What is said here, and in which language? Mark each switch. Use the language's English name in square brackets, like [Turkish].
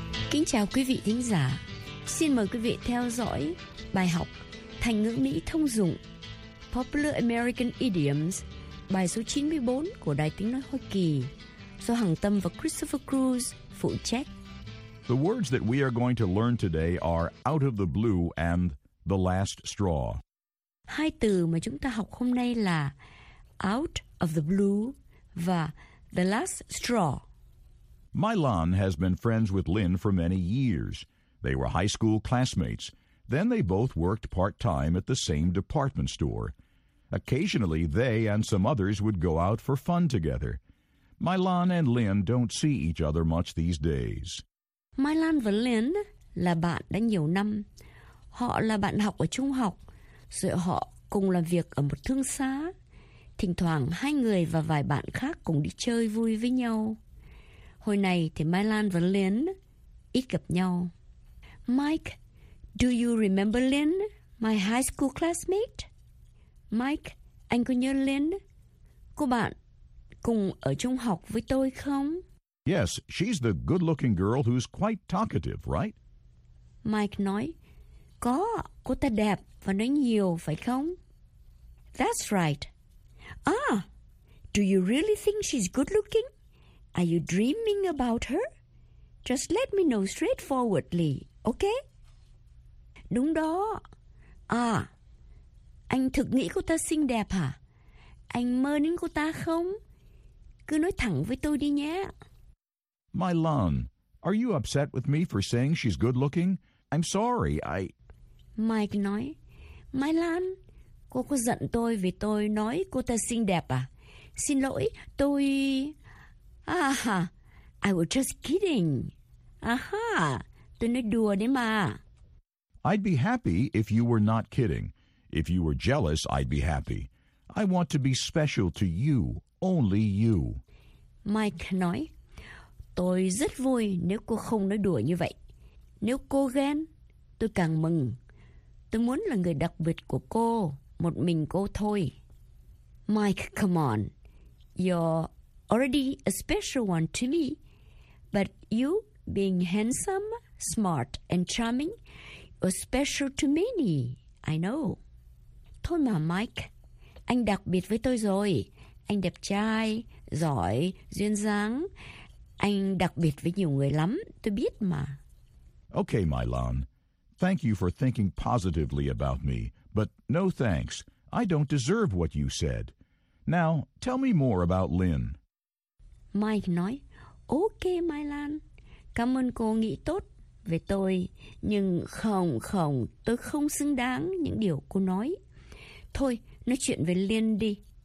[Vietnamese] Kính chào quý vị thính giả. Xin mời quý vị theo dõi bài học Thành ngữ Mỹ thông dụng [English] Popular American Idioms, [Vietnamese] bài số 94 của Đài Tiếng Nói Hoa Kỳ, do Hằng Tâm và Christopher Cruz phụ trách. [English] The words that we are going to learn today are out of the blue and the last straw. [Vietnamese] Hai từ mà chúng ta học hôm nay là [English] out of the blue [Vietnamese] và [English] the last straw. Mylon has been friends with Lynn for many years. They were high school classmates. Then they both worked part-time at the same department store. Occasionally, they and some others would go out for fun together. Mylon and Lynn don't see each other much these days. [Vietnamese] Mylon và Lynn là bạn đã nhiều năm. Họ là bạn học ở trung học, rồi họ cùng làm việc ở một thương xá. Thỉnh thoảng, hai người và vài bạn khác cùng đi chơi vui với nhau. Hồi này thì Mylon và Lynn ít gặp nhau. [English] Mike, do you remember Lynn, my high school classmate? [Vietnamese] Mike, anh có nhớ Lynn, cô bạn cùng ở trung học với tôi không? [English] Yes, she's the good-looking girl who's quite talkative, right? [Vietnamese] Mike nói, có, cô ta đẹp và nói nhiều, phải không? [English] That's right. Ah, do you really think she's good-looking? Are you dreaming about her? Just let me know straightforwardly, okay? [Vietnamese] Đúng đó. À, anh thực nghĩ cô ta xinh đẹp hả? Anh mơ đến cô ta không? Cứ nói thẳng với tôi đi nhé. [English] Mylon, are you upset with me for saying she's good looking? I'm sorry, I... [Vietnamese] Mike nói, Mylon, cô có giận tôi vì tôi nói cô ta xinh đẹp à? Xin lỗi, tôi... [English] I was just kidding. [Vietnamese] Aha, tôi nói đùa đấy mà. [English] I'd be happy if you were not kidding. If you were jealous, I'd be happy. I want to be special to you, only you. [Vietnamese] Mike nói, tôi rất vui nếu cô không nói đùa như vậy. Nếu cô ghen, tôi càng mừng. Tôi muốn là người đặc biệt của cô, một mình cô thôi. [English] Mike, come on. You're already a special one to me. But you being handsome, smart, and charming... A special to many, I know. [Vietnamese] Thôi mà Mike, anh đặc biệt với tôi rồi. Anh đẹp trai, giỏi, duyên dáng. Anh đặc biệt với nhiều người lắm, tôi biết mà. [English] Okay, Mylon. Thank you for thinking positively about me. But no thanks. I don't deserve what you said. Now, tell me more about Lynn. [Vietnamese] Mike nói, okay, Mylon. Cảm ơn cô nghĩ tốt về tôi, nhưng không, không, tôi không xứng đáng những điều cô nói. Thôi, nói chuyện về Lynn đi.